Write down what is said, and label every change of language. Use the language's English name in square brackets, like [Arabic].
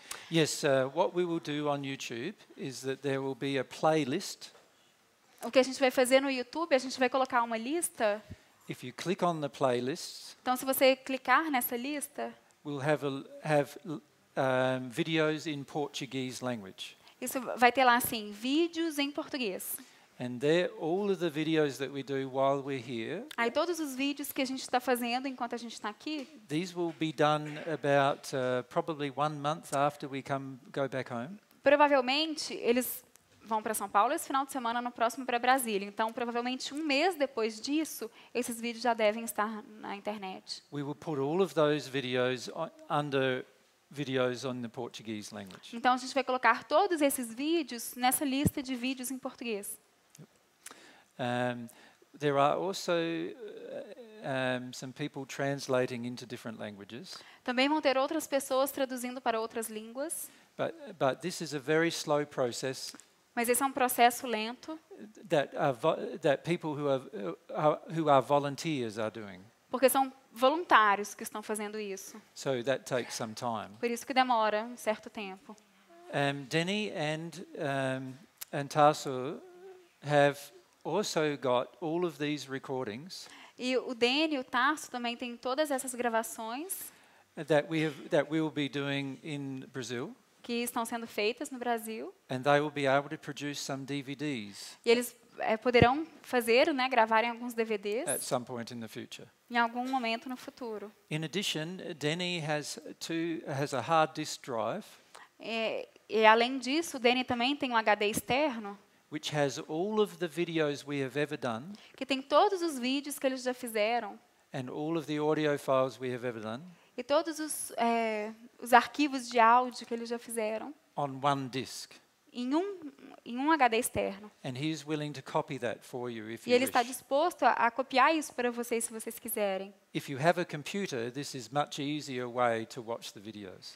[English] Yes, what we will do on YouTube is that there will be a playlist. [Portuguese] O que a gente vai fazer no YouTube, a gente vai colocar uma lista. [English] If you click on the playlist. [Portuguese] Então se você clicar nessa lista, [English] we'll have videos in Portuguese language. [Portuguese] Isso vai ter lá assim, vídeos em português. [English] And there all of the videos that we do while we're here. [Portuguese] Aí todos os vídeos que a gente está fazendo enquanto a gente está aqui. [English] These will be done about probably 1 month after we go back home. [Portuguese] Provavelmente eles vão para São Paulo esse final de semana, no próximo para Brasília. Então provavelmente 1 mês depois disso, esses vídeos já devem estar na internet. [English] We will put all of those videos under videos on the Portuguese language. [Portuguese] Então a gente vai colocar todos esses vídeos nessa lista de vídeos em português. [English] There are also some people translating into different languages. [Portuguese] Também vão ter outras pessoas traduzindo para outras línguas. [English] But this is a very slow process. [Portuguese] Mas esse é um processo lento. [English] That people who are volunteers are doing. [Portuguese] Porque são voluntários que estão fazendo isso. [English] So that takes some time. [Portuguese] Por isso que demora um certo tempo. [English] Denny and Tasso have also got all of these recordings. [Portuguese] E o Denny e o Tasso também têm todas essas gravações. [English] That we will be doing in Brazil. [Portuguese] Que estão sendo feitas no Brasil. [English] And they will be able to produce some DVDs. [Portuguese] E eles poderão fazer, né, gravarem alguns DVDs. [English] At some point in the future. [Portuguese] Em algum momento no futuro. [English] In addition, Denny has a hard disk drive. [Portuguese] E além disso, o Denny também tem um HD externo. [English] Which has all of the videos we have ever done. [Portuguese] Que tem todos os vídeos que eles já fizeram. [English] And all of the audio files we have ever done. [Portuguese] E todos os arquivos de áudio que eles já fizeram. [English] On one disk. [Portuguese] Em um HD externo. [English] And he is willing to copy that for you if you wish. [Portuguese] E ele está disposto a copiar isso para vocês se vocês quiserem. [English] If you have a computer, this is much easier way to watch the videos.